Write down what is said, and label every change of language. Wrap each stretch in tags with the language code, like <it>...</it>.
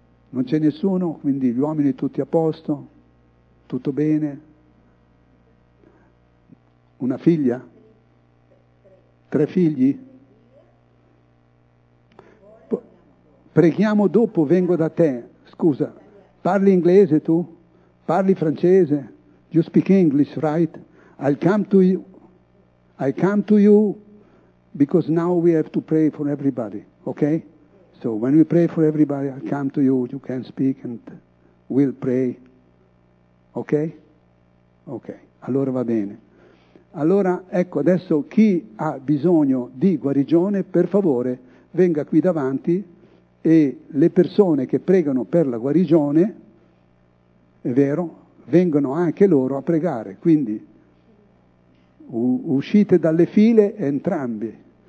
<it>Non c'è nessuno, quindi gli uomini tutti a posto? Tutto bene? Una figlia? Tre figli? Preghiamo dopo, vengo da te. Scusa, parli inglese tu? Parli francese?</it> <en>You speak English, right? I come to you. Because now we have to pray for everybody, okay? So when we pray for everybody, I come to you, you can speak and we'll pray, okay?</en> <it>Okay, allora va bene. Allora, ecco, adesso chi ha bisogno di guarigione, per favore, venga qui davanti e le persone che pregano per la guarigione, è vero, vengono anche loro a pregare. Quindi uscite dalle file entrambi.</it>